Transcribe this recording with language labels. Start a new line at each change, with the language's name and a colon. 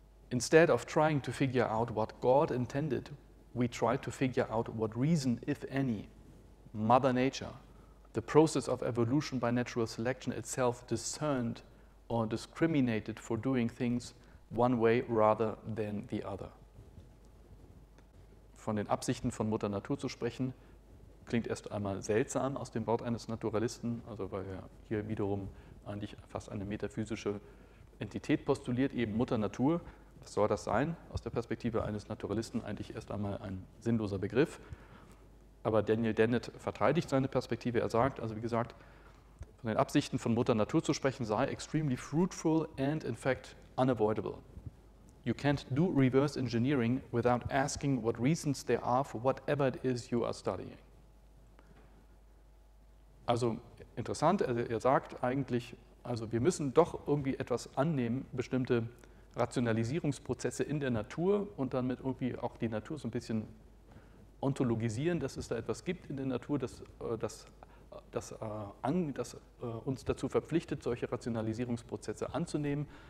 English: Instead of trying to figure out what God intended, we try to figure out what reason, if any, Mother Nature, the process of evolution by natural selection itself discerned or discriminated for doing things one way rather than the other.
German: Von den Absichten von Mutter Natur zu sprechen, klingt erst einmal seltsam aus dem Wort eines Naturalisten, also weil er hier wiederum eigentlich fast eine metaphysische Entität postuliert, eben Mutter Natur. Was soll das sein? Aus der Perspektive eines Naturalisten eigentlich erst einmal ein sinnloser Begriff. Aber Daniel Dennett verteidigt seine Perspektive. Er sagt, also wie gesagt, von den Absichten von Mutter Natur zu sprechen, sei
English: extremely fruitful and in fact unavoidable. You can't do reverse engineering without asking what reasons there are for whatever it is you are studying.
German: Also interessant, er sagt eigentlich, also wir müssen doch irgendwie etwas annehmen, bestimmte Rationalisierungsprozesse in der Natur und dann mit irgendwie auch die Natur so ein bisschen ontologisieren, dass es da etwas gibt in der Natur, das uns dazu verpflichtet, solche Rationalisierungsprozesse anzunehmen.